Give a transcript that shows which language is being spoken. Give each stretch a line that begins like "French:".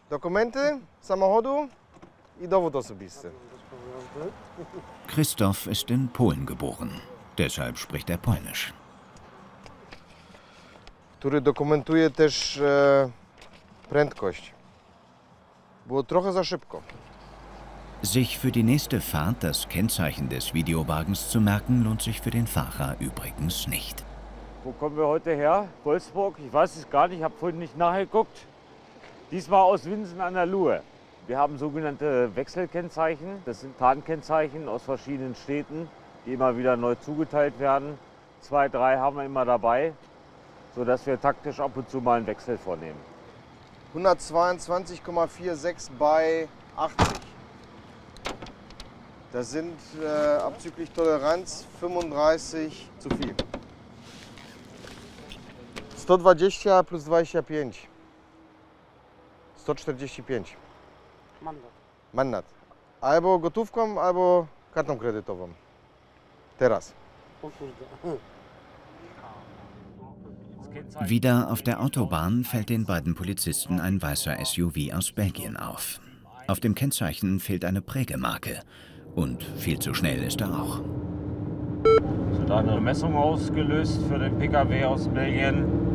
Polish: Dokumenty samochodu i dowód osobisty.
German: Christoph ist in Polen geboren. Deshalb spricht er Polnisch.
Polish: Który dokumentuje też Prędkość. Było trochę za szybko.
German: Sich für die nächste Fahrt das Kennzeichen des Videowagens zu merken, lohnt sich für den Fahrer übrigens nicht. Wo kommen wir heute her? Wolfsburg? Ich weiß es gar nicht, habe vorhin nicht nachgeguckt. Diesmal aus Winsen an der Luhe. Wir haben sogenannte Wechselkennzeichen. Das sind Tarnkennzeichen aus verschiedenen Städten, die immer wieder neu zugeteilt werden. 2, 3 haben wir immer dabei. sodass wir taktisch ab und zu mal einen Wechsel vornehmen. 122,46 bei 80. Das sind abzüglich Toleranz 35 zu viel. 120 plus 25. 145.
Polish: Mandat. Albo gotówką, albo kartą kredytową. Teraz.
German: Wieder auf der Autobahn fällt den beiden Polizisten ein weißer SUV aus Belgien auf. Auf dem Kennzeichen fehlt eine Prägemarke. Und viel zu schnell ist er auch. Es wird eine Messung ausgelöst für den PKW aus Belgien.